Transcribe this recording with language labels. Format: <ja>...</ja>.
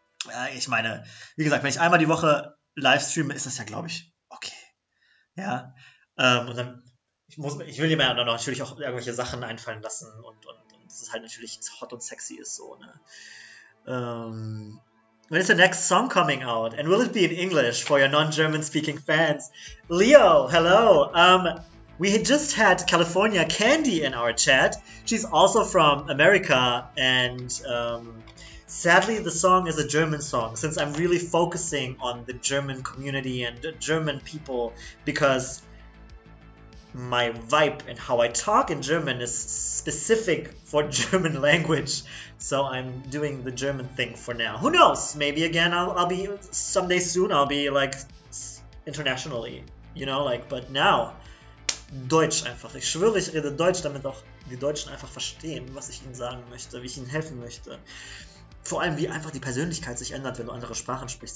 <de>Ja, ich meine, wie gesagt, wenn ich einmal die Woche Livestreame, ist das ja, glaube ich, okay. Ja. Und dann, ich will dir ja dann natürlich auch irgendwelche Sachen einfallen lassen und das ist halt natürlich hot und sexy ist so, ne?</de> <en>When is the next song coming out? And will it be in English for your non-German speaking fans? Leo, hello. We had just had California Candy in our chat. She's also from America, and sadly, the song is a German song since I'm really focusing on the German community and German people because my vibe and how I talk in German is specific for German language. So I'm doing the German thing for now. Who knows? Maybe again, I'll be someday soon. I'll be like internationally, you know, like, but now.</en> <de>Deutsch einfach. Ich schwöre, ich rede Deutsch, damit auch die Deutschen einfach verstehen, was ich ihnen sagen möchte, wie ich ihnen helfen möchte. Vor allem, wie einfach die Persönlichkeit sich ändert, wenn du andere Sprachen sprichst.</de>